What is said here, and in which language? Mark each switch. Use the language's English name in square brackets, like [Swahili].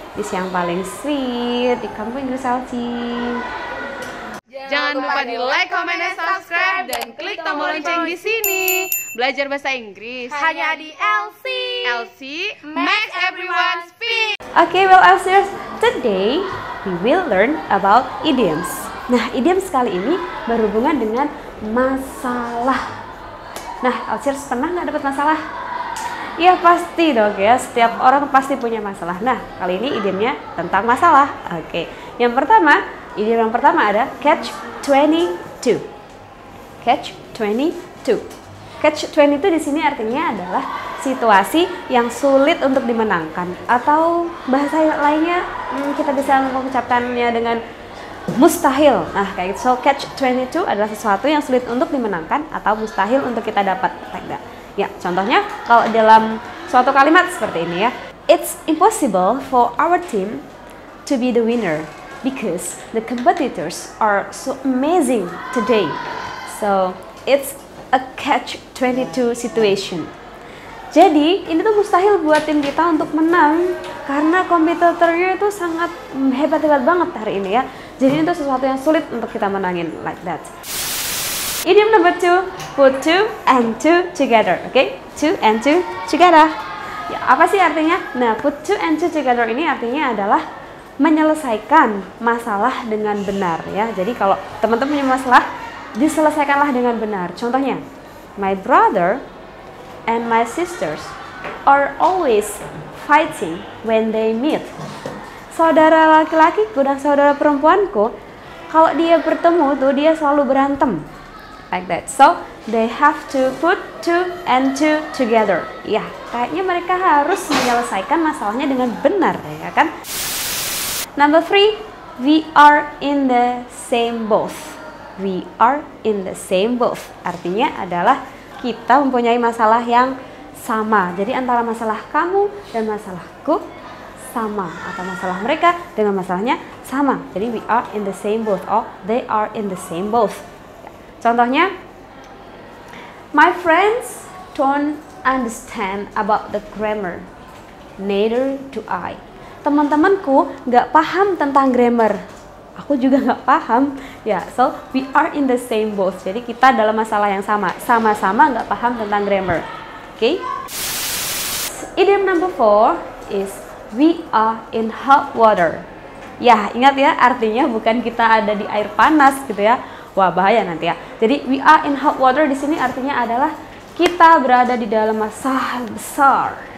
[English] This [Indonesian] yang paling sweet di Kampo Inggris LC. Jangan lupa di like, comment, dan subscribe dan klik tombol lonceng di sini. Belajar bahasa Inggris hanya di LC. [English] LC makes everyone speak. Okay, well LCers, today we will learn about idioms. [Indonesian] Nah, idioms kali ini berhubungan dengan masalah. Nah, Alciers pernah nggak dapat masalah? Ya pasti dong ya, setiap orang pasti punya masalah. Nah, kali ini idiomnya tentang masalah. Oke, yang pertama, idiom yang pertama ada catch 22. Catch 22. Catch 22 di sini artinya adalah situasi yang sulit untuk dimenangkan. Atau bahasa lainnya kita bisa mengucapkannya dengan mustahil. Nah, kayak gitu. So catch 22 adalah sesuatu yang sulit untuk dimenangkan atau mustahil untuk kita dapat. Ya, contohnya kalau dalam suatu kalimat seperti ini ya. [English] It's impossible for our team to be the winner because the competitors are so amazing today. So, it's a catch 22 situation. [Indonesian] Jadi, ini tuh mustahil buat tim kita untuk menang karena kompetitornya itu sangat hebat-hebat banget hari ini ya. Jadi itu sesuatu yang sulit untuk kita menangin, [English] like that. Idiom number two, put two and two together, okay? Two and two together. [Indonesian] Ya, apa sih artinya? Nah, put two and two together ini artinya adalah menyelesaikan masalah dengan benar, ya. Jadi kalau teman-teman punya masalah, diselesaikanlah dengan benar. Contohnya, [English] my brother and my sisters are always fighting when they meet. [Indonesian] Saudara laki-lakiku dan saudara perempuanku, kalau dia bertemu tuh dia selalu berantem. [English] Like that. So, they have to put two and two together. [Indonesian] Ya, kayaknya mereka harus menyelesaikan masalahnya dengan benar, ya kan? [English] Number three, we are in the same boat. We are in the same boat. [Indonesian] Artinya adalah kita mempunyai masalah yang sama. Jadi antara masalah kamu dan masalahku sama, atau masalah mereka dengan masalahnya sama. Jadi [English] we are in the same boat, or they are in the same boat. [Indonesian] Contohnya, [English] my friends don't understand about the grammar, neither do I. [Indonesian] Teman-temanku gak paham tentang grammar, aku juga gak paham. Ya, [English] yeah, so we are in the same boat. [Indonesian] Jadi kita dalam masalah yang sama, sama-sama gak paham tentang grammar. [English] Oke, okay? Idiom number four is we are in hot water. [Indonesian] Ya, ingat ya, artinya bukan kita ada di air panas gitu ya. Wah, bahaya nanti ya. Jadi [English] we are in hot water [Indonesian] di sini artinya adalah kita berada di dalam masalah besar.